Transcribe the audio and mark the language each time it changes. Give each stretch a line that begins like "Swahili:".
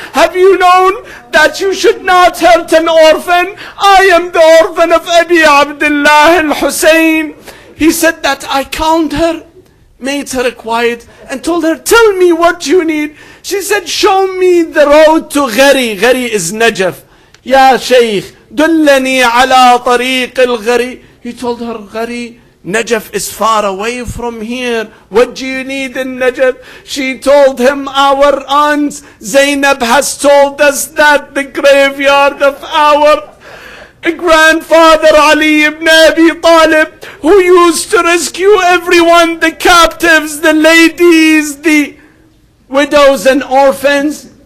English: Have you known that you should not hurt an orphan? I am the orphan of Abi Abdullah al-Hussein. He said that I calmed her, made her quiet, and told her, tell me what you need. She said, show me the road to Ghari. Ghari is Najaf.
Arabic: Ya Shaykh, دُلَّنِي عَلَىٰ طَرِيقِ الْغَرِي.
English: He told her, Ghari, Najaf is far away from here. What do you need in Najaf? She told him, our aunt Zainab has told us that the graveyard of our grandfather Ali ibn Abi Talib, who used to rescue everyone, the captives, the ladies, the widows and orphans.